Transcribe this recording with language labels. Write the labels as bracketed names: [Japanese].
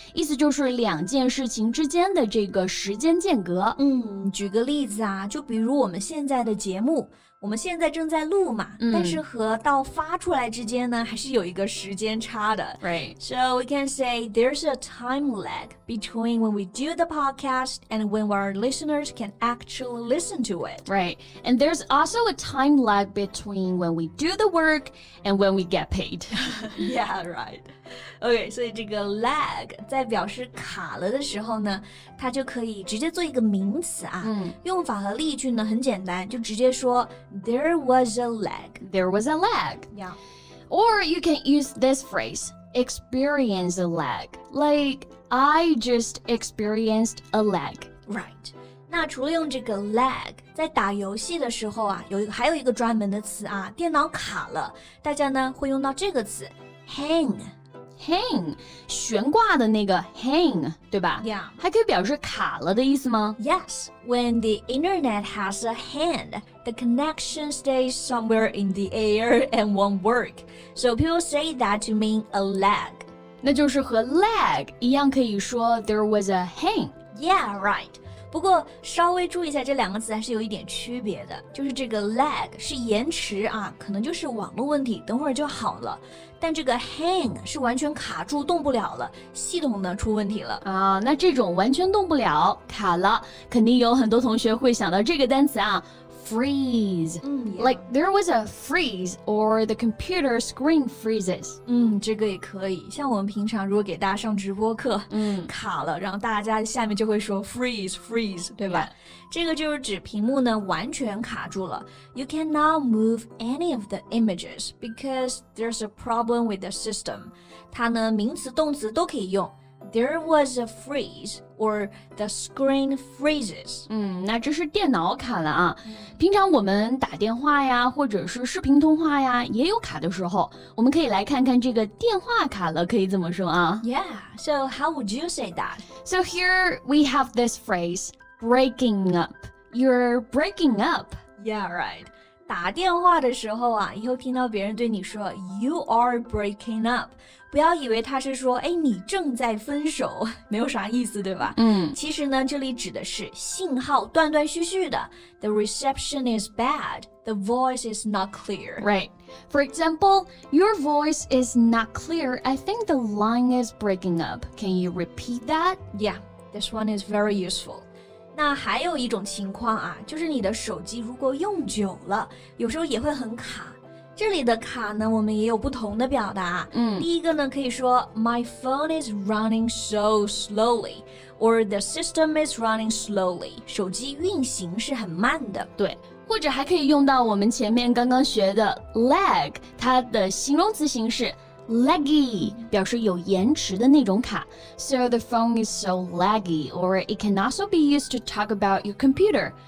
[Chinese] 意思就是两件事情之间的这个时间间隔。举个例子啊，就比如我们现在的节目。我们现在正在录嘛、但是和到发出来之间呢还是有一个时间差的 [English] Right. So we can say there's a time lag between when we do the podcast and when our listeners can actually listen to it. Right. And there's also a time lag between when we do the work and when we get paid. Yeah, right. [Chinese] OK, 所以这个 lag 在表示卡了的时候呢，它就可以直接做一个名词啊。用法和例句呢很简单，就直接说 [English] there was a lag. There was a lag. Yeah. Or you can use this phrase, experience a lag. Like, I just experienced a lag. Right. [Chinese] 那除了用这个 lag, 在打游戏的时候啊还有一个专门的词啊电脑卡了大家呢会用到这个词 hang。 Hang, 悬挂的那个 hang, 对吧 [English] Yeah. [Chinese] 还可以表示卡了的意思吗 [English] Yes, when the internet has a hand, the connection stays somewhere in the air and won't work. So people say that to mean a lag. [Chinese] 那就是和 lag 一样可以说 [English] there was a hang. Yeah, right. [Chinese] 不过稍微注意一下这两个词还是有一点区别的就是这个 lag 是延迟啊可能就是网络问题等会儿就好了但这个 hang 是完全卡住动不了了系统呢出问题了啊那这种完全动不了卡了肯定有很多同学会想到这个单词啊 freeze、 [English] yeah. like there was a freeze or the computer screen freezes [Chinese] 这个也可以像我们平常如果给大家上直播课卡了然后大家下面就会说 freeze 对吧、 [English] yeah. [Chinese] 这个就是指屏幕呢完全卡住了 [English] you cannot move any of the images because there's a problem with the system [Chinese] 它呢名词动词都可以用 [English] There was a freeze, or the screen freezes. [Chinese] 那这是电脑卡了啊。平常我们打电话呀，或者是视频通话呀，也有卡的时候。我们可以来看看这个电话卡了，可以怎么说啊 [English] ？Yeah. So how would you say that? So here we have this phrase, breaking up. You're breaking up. Yeah, right. [Chinese] 打电话的时候啊以后听到别人对你说 [English] You are breaking up [Chinese] 不要以为他是说哎，你正在分手没有啥意思对吧其实呢这里指的是信号断断续续的 [English] The reception is bad The voice is not clear Right For example Your voice is not clear I think the line is breaking up Can you repeat that? Yeah This one is very useful [Chinese] 那还有一种情况啊就是你的手机如果用久了有时候也会很卡这里的卡呢我们也有不同的表达第一个呢可以说 [English] My phone is running so slowly Or the system is running slowly [Chinese] 手机运行是很慢的对或者还可以用到我们前面刚刚学的 lag 它的形容词形式Laggy, 表示有延迟的那种卡。 [English] So the phone is so laggy, or it can also be used to talk about your computer.